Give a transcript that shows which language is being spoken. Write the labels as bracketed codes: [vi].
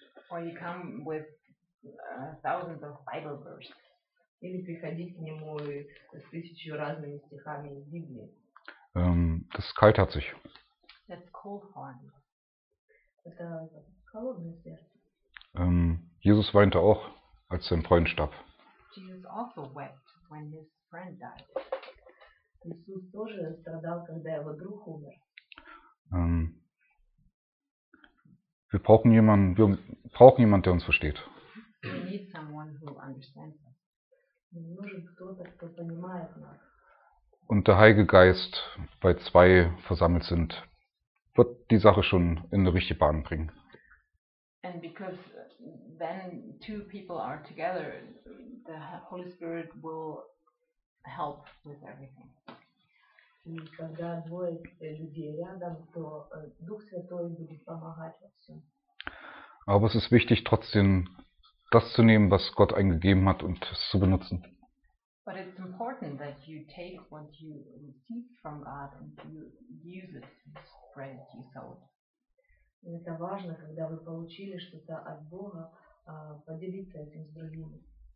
[en] Or you come with thousands of Bible verses. [ru] Или приходить к нему с тысячу разными стихами из Библии. [de] Das kaltert sich. [en] That's cold heart. [ru] Это холодное сердце. [de] Jesus weinte auch, als sein Freund starb. [en] Jesus also wept when his friend died. [ru] Иисус тоже страдал, когда его друг умер. [de] Wir brauchen jemanden, der uns versteht. [en] We need someone who understands us. [ru] Нужен кто-то, кто понимает нас. [de] Und der Heilige Geist, weil zwei versammelt sind, wird die Sache schon in eine richtige Bahn bringen. [en] And because when two people are together, the Holy Spirit will help with everything. [ru] И когда двое людей рядом, то Дух Святой будет помогать во всем. [de] Aber es ist wichtig, trotzdem das zu nehmen, was Gott eingegeben hat und es zu benutzen. [en] But it's important that you take what you receive from God and you use it to spread it, you sow it. [ru] Это важно, когда вы получили что-то от Бога, поделиться этим с другими.